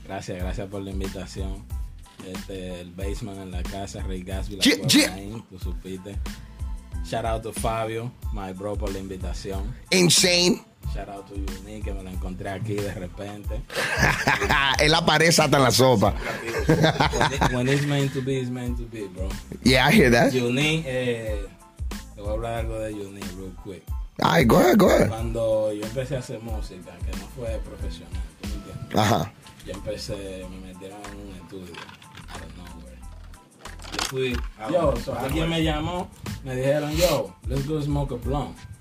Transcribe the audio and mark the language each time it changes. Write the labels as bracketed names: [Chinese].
[Spanish] Gracias por la invitación. El Basement en la casa, Rey Gatsby, la cueva. Ahí, tú supiste. [English] Shout out to Fabio, my bro, [Spanish] por la invitación. [English] Insane. Shout out to [Spanish] Yuni, que me lo encontré aquí de repente. Él aparece hasta en la sopa. [English] When it's meant to be, it's meant to be, bro. Yeah, I hear that. [Spanish] Yuni, te voy a hablar algo de Yuni [English] real quick. Ay, go ahead. [Spanish] Cuando yo empecé a hacer música, que no fue profesional, ¿tú me entiendes? Ajá. Yo empecé, me metieron en un estudio. [English] I don't know, [Spanish] güey. Yo fui, yo, so alguien me llamó, me dijeron, yo, [English] let's go smoke a blunt.